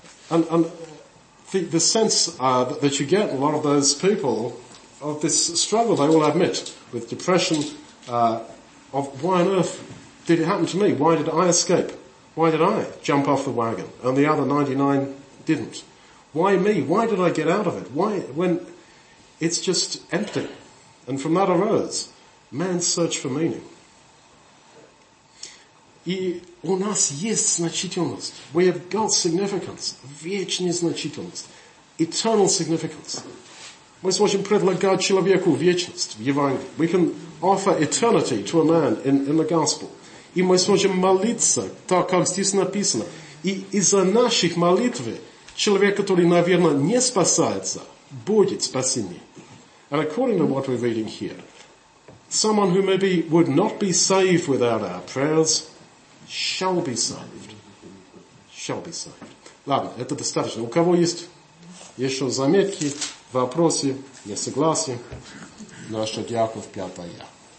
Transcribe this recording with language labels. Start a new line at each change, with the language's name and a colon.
English: And the sense that you get, a lot of those people, of this struggle, they all admit, with depression, of why on earth did it happen to me? Why did I escape? Why did I jump off the wagon? And the other 99 didn't. Why me? Why did I get out of it? Why, when it's just empty? And from that arose man's search for meaning.
Russian: И у нас есть значительность.
English: We have got significance.
Russian: Вечная значительность.
English: Eternal significance.
Russian: Мы сможем предлагать человеку вечность в Евангелии.
English: We can offer eternity to a man in the gospel.
Russian: И мы сможем молиться, так как здесь написано. И из-за наших молитв человек, который, наверное, не спасается, будет спасенный.
English: And according to what we're reading here, someone who maybe would not be saved without our prayers shall be saved. Shall be saved.
Russian: Ладно, это достаточно. У кого есть еще заметки, вопросы, несогласия? Наша диакон 5-я.